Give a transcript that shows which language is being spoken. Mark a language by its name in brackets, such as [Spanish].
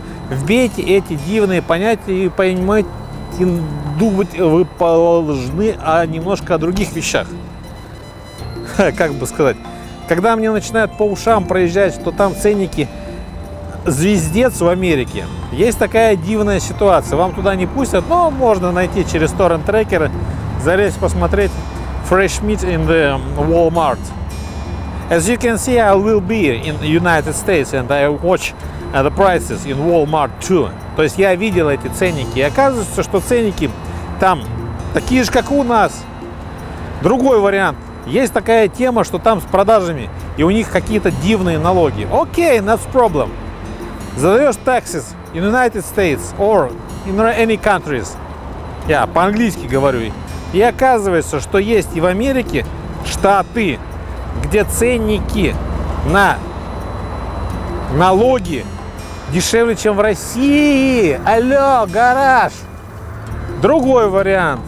[Russian] Вбейте эти дивные понятия и понимайте, думать вы должны о немножко о других вещах. Как бы сказать. Когда мне начинают по ушам проезжать, что там ценники звездец в Америке, есть такая дивная ситуация. Вам туда не пустят, но можно найти через торрент-трекеры, залезть посмотреть [English] Fresh Meat in the Walmart. As you can see, I will be in the United States and I watch the prices in Walmart too. [Russian] То есть я видел эти ценники. И оказывается, что ценники там такие же, как у нас. Другой вариант. Есть такая тема, что там с продажами, и у них какие-то дивные налоги. [English] Окей, no problem. [Russian] Задаешь [English] taxes in United States or in any countries. [Russian] Я по-английски говорю. И оказывается, что есть и в Америке штаты, где ценники на налоги дешевле, чем в России. Алло, гараж! Другой вариант.